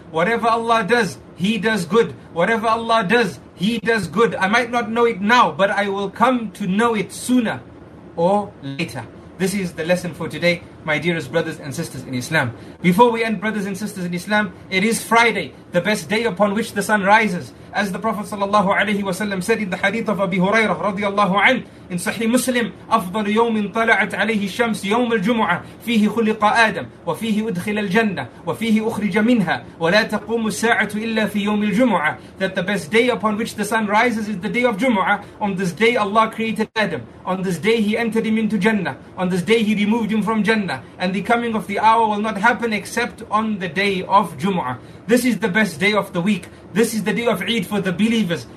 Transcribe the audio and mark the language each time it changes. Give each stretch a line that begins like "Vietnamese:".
English: Whatever Allah does, He does good. Whatever Allah does, He does good. I might not know it now, but I will come to know it sooner or later. This is the lesson for today. my dearest brothers and sisters in Islam. Before we end, brothers and sisters in Islam, it is Friday, the best day upon which the sun rises. As the Prophet sallallahu alaihi wasallam said in the hadith of Abi Hurairah radiyallahu anhu in Sahih Muslim,
Arabic: أفضل يوم طلعت عليه الشمس يوم الجمعة فيه خلق آدم وفيه أدخل الجنة وفيه أخرج منها ولا تقوم الساعة إلا في يوم الجمعة.
English: That the best day upon which the sun rises is the day of Jumu'ah. On this day Allah created Adam. On this day He entered him into Jannah. On this day He removed him from Jannah. And the coming of the hour will not happen except on the day of Jumu'ah. This is the best day of the week. This is the day of Eid for the believers.